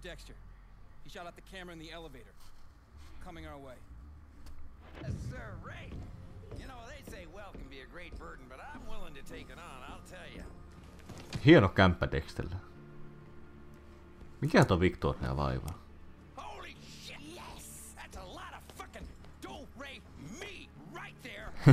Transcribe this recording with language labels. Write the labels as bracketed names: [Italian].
[English] Dexter, he shot out the camera in the elevator. Coming our way. Yes, sir, Ray. You know, they say wealth can be a great burden, but I'm willing to take it on, I'll tell you. [Finnish] Hieno kämppä Dexterillä. Mikä tuo Victoria vaivaa? [English] Holy shit! Yes! That's a lot of fucking dope, Ray, me, right there!